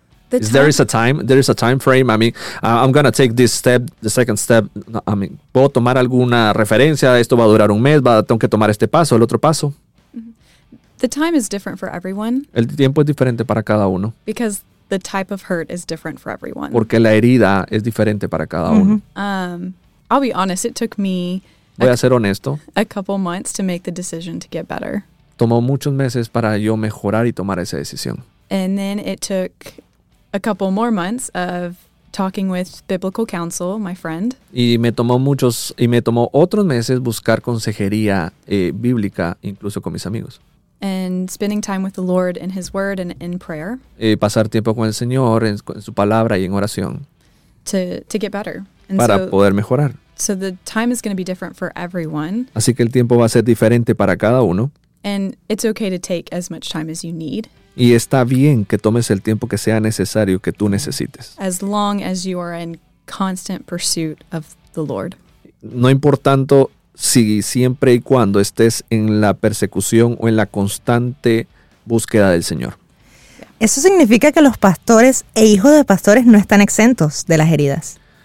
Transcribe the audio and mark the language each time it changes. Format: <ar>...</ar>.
<en>Is there a time frame? I mean, I'm going to take this step, the second step. I mean,</en> <es>¿puedo tomar alguna referencia? Esto va a durar un mes, tengo que tomar este paso, el otro paso.</es> <en>The time is different for everyone.</en> <es>El tiempo es diferente para cada uno.</es> <en>Because the type of hurt is different for everyone.</en> <es>Porque la herida es diferente para cada uno.</es> <en>I'll be honest, it took me a couple months to make the decision to get better.</en> <es>Tomó muchos meses para yo mejorar y tomar esa decisión.</es> <en>And then it took a couple more months of talking with biblical counsel, my friend.</en> <es>Y me tomó otros meses buscar consejería bíblica, incluso con mis amigos.</es> <en>And spending time with the Lord in His Word and in prayer.</en> <es>Y pasar tiempo con el Señor en su palabra y en oración.</es> <en>To get better.</en> <es>And para poder mejorar.</es> <en>So the time is going to be different for everyone.</en> <es>Así que el tiempo va a ser diferente para cada uno.</es> <en>And it's okay to take as much time as you need.</en> <es>Y está bien que tomes el tiempo que sea necesario que tú necesites.</es> <en>As long as you are in constant pursuit of the Lord.</en> <es>No importando si siempre y cuando estés en la persecución o en la constante búsqueda del Señor. Eso significa que los pastores e hijos de pastores no están exentos de las heridas.</es>